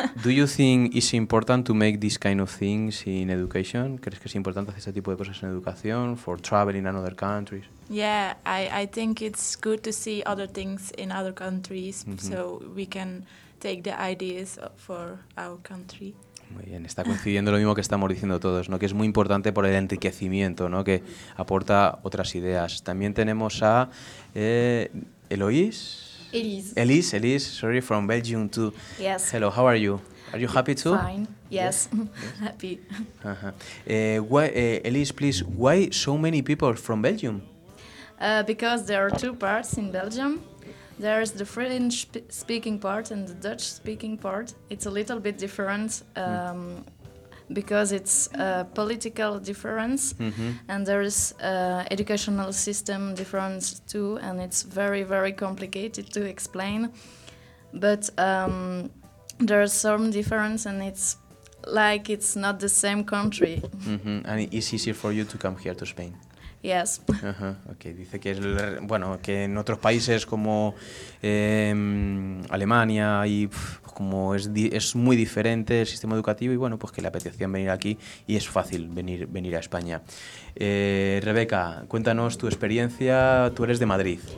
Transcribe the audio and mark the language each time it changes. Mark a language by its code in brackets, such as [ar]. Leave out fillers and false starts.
[en] Do you think it's important to make this kind of things in education? [es] ¿Crees que es importante hacer este tipo de cosas en educación? [en] For traveling in other countries? Yeah, I think it's good to see other things in other countries so we can take the ideas for our country. [es] Muy bien, está coincidiendo lo mismo que estamos diciendo todos, ¿no? Que es muy importante por el enriquecimiento, ¿no? Que aporta otras ideas. También tenemos a Elise, [en] from Belgium too. Yes. Hello, how are you? Are you happy too? Fine, yes. Happy. Uh-huh. Elise, please, why so many people from Belgium? Because there are two parts in Belgium. There is the French speaking part and the Dutch speaking part. It's a little bit different because it's a political difference and there is educational system difference too, and it's very, very complicated to explain. But there are some difference and it's like it's not the same country. Mm-hmm. And it's easier for you to come here to Spain. Yes. Uh-huh. Okay. [es] Dice que es bueno que en otros países como Alemania y como es muy diferente el sistema educativo y bueno pues que le apetecía venir aquí y es fácil venir a España. Rebeca, cuéntanos tu experiencia. Tú eres de Madrid.